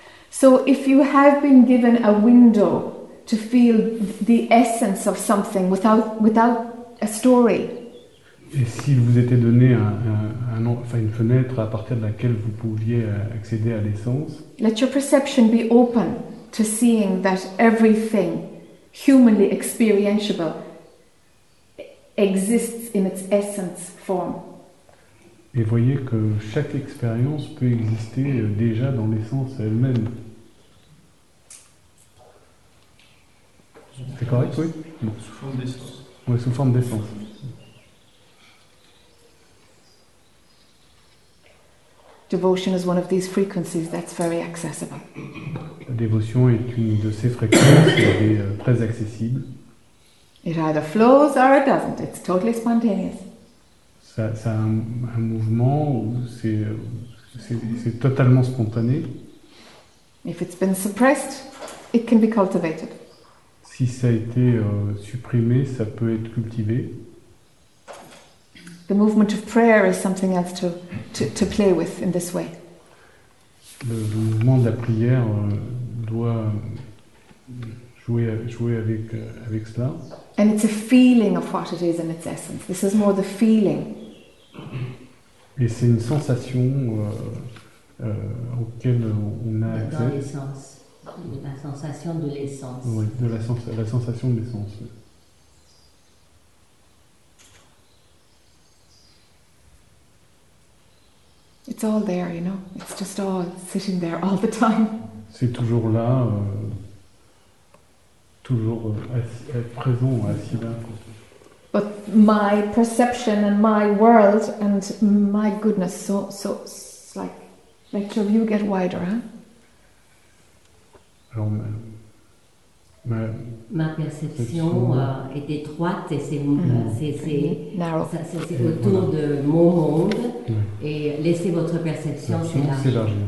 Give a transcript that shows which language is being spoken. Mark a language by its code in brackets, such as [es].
[en] So if you have been given a window to feel the essence of something without a story. [fr] Et s'il vous était donné une fenêtre à partir de laquelle vous pouviez accéder à l'essence. [en] Let your perception be open to seeing that everything humanly experientiable exists in its essence form. [fr] Et voyez que chaque expérience peut exister déjà dans l'essence elle-même. C'est correct, oui. Bon. Sous forme d'essence. Oui, sous forme d'essence. [en] Devotion is one of these frequencies that's very accessible. [fr] La dévotion est une de ces fréquences qui est très accessible. [en] It either flows or it doesn't. It's totally spontaneous. [fr] Ça a un mouvement où c'est totalement spontané. [en] If it's been suppressed, it can be cultivated. [fr] Si ça a été supprimé, ça peut être cultivé. [en] The movement of prayer is something else to play with in this way. [fr] Le mouvement de la prière doit jouer avec cela. [en] And it's a feeling of what it is in its essence. This is more the feeling. [fr] Et c'est une sensation auquel on a accès. La sensation de l'essence. Oui, la sensation de l'essence. [en] It's all there, you know. It's just all sitting there all the time. [fr] C'est toujours là, toujours assis, présent, assis là. [en] But my perception and my world and my goodness, so it's like your view get wider, huh? [fr] Alors, ma perception est étroite et c'est autour voilà. De mon monde. Et laissez votre perception s'élargir.